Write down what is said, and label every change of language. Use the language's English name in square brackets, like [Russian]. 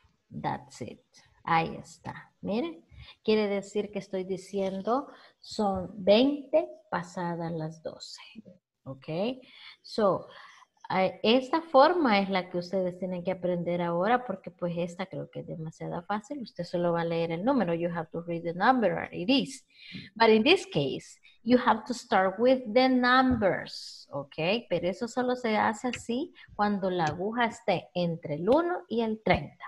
[English] That's it. [Spanish] Ahí está. Mire, quiere decir que estoy diciendo son 20 pasadas las 12. Ok. So, esta forma es la que ustedes tienen que aprender ahora porque pues esta creo que es demasiado fácil. Usted solo va a leer el número. [English] You have to read the number and it is. But in this case, you have to start with the numbers. Ok. [Spanish] Pero eso solo se hace así cuando la aguja esté entre el 1 y el 30.